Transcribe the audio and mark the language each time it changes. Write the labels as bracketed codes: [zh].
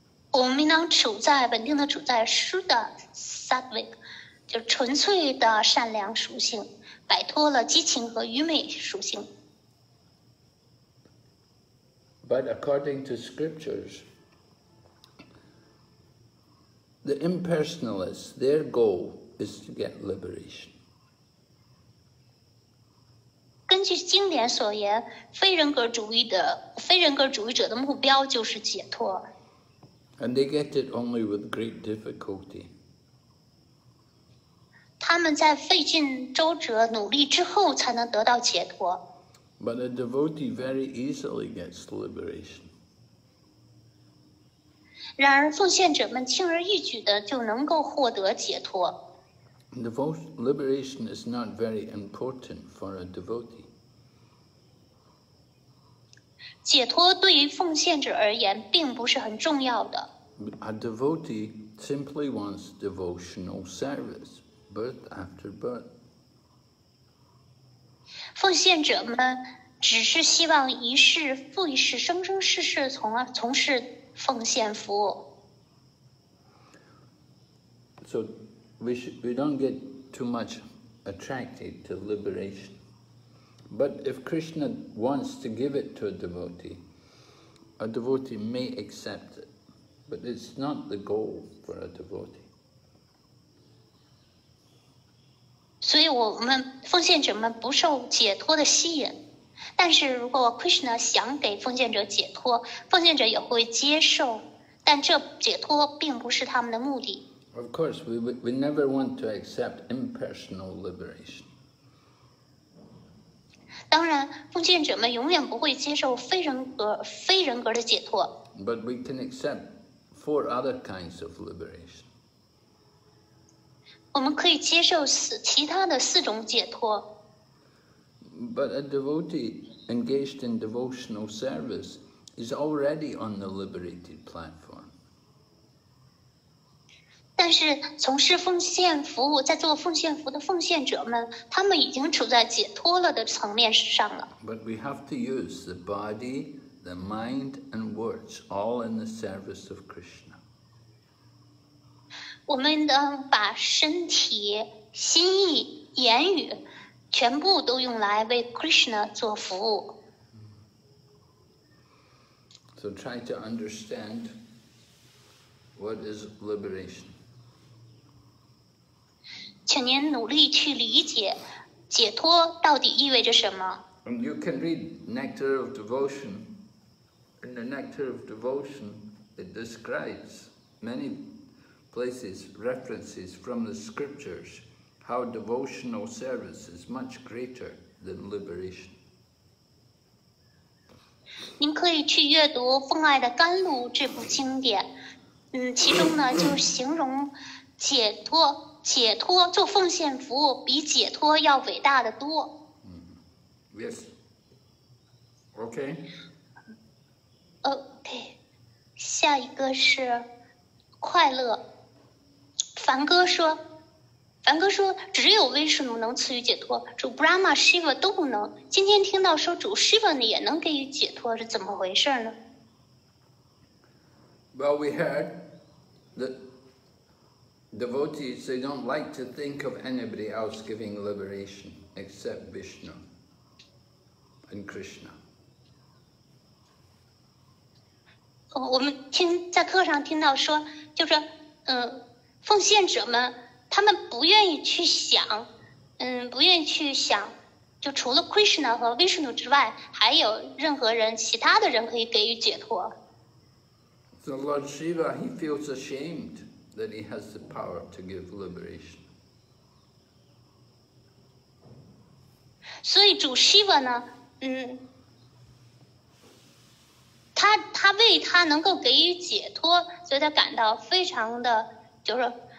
[zh] 我们应当处在稳定的处在 Shuddha sattva, 就纯粹的善良属性，摆脱了激情和愚昧属性。 [en] But according to scriptures, the impersonalists, their goal is to get liberation. [zh] 根据经典所言，非人格主义者的目标就是解脱。 [en] And they get it only with great difficulty. [zh] 他们在费尽周折努力之后才能得到解脱。 [en] But a devotee very easily gets liberation. [zh] 然而奉献者们轻而易举的就能够获得解脱。 [en] Liberation is not very important for a devotee. [zh] 解脱对于奉献者而言并不是很重要的。 [en] A devotee simply wants devotional service, birth after birth. [zh] 奉献者们只是希望一世复一世，生生世世从事奉献服务。 [en] So, we don't get too much attracted to liberation. But if Krishna wants to give it to a devotee may accept it. But it's not the goal for a devotee. [zh] 所以我们奉献者们不受解脱的吸引。但是如果 Krishna 想给奉献者解脱，奉献者也会接受，但这解脱并不是他们的目的。 [en] Of course, we never want to accept impersonal liberation. [zh] 当然，奉献者们永远不会接受非人格的解脱。 [en] But we can accept four other kinds of liberation. [zh] 我们可以接受四其他的四种解脱。 [en] But a devotee engaged in devotional service is already on the liberated platform. [zh] 但是从事奉献服务，在做奉献服务的奉献者们，他们已经处在解脱了的层面上了。 [en] But we have to use the body, the mind, and words all in the service of Krishna. [zh] 我们能把身体、心意、言语全部都用来为 Krishna 做服务。 [en] So try to understand what is liberation. [zh] 请您努力去理解解脱到底意味着什么。 [en] And you can read Nectar of Devotion. In the Nectar of Devotion, it describes many places, references from the scriptures, how devotional service is much greater than liberation. [zh] 您可以去阅读《奉爱的甘露》这部经典，其中呢就形容解脱，解脱做奉献服务比解脱要伟大的多。 [en] Yes. Okay. [zh] Okay. 下一个是快乐。梵哥说，梵哥说，只有威士努能赐予解脱，主 Brahma、Shiva 都不能。今天听到说主 Shiva 也能给予解脱，是怎么回事呢 [en] ？Well, we heard that devotees they don't like to think of anybody else giving liberation except Vishnu and Krishna. [zh] 我们听在课上听到说，就是奉献者们。他们不愿意去想，不愿意去想，就除了 Krishna 和 Vishnu 之外，还有任何人，其他的人可以给予解脱。 [en] So Lord Shiva, he feels ashamed that he has the power to give liberation. [zh] 所以主 Shiva 呢，他为他能够给予解脱，所以他感到非常的就是。